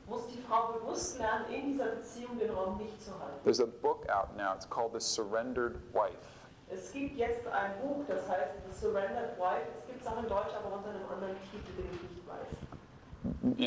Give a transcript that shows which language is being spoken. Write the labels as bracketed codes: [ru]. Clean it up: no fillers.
[de] Muss die Frau bewusst lernen, in dieser Beziehung den Raum nicht zu halten. [en] There's a book out now, it's called The Surrendered Wife. [de] Es gibt jetzt ein Buch, das heißt The Surrendered Wife. Es gibt es auch in Deutsch, aber unter einem anderen Titel, den ich nicht weiß.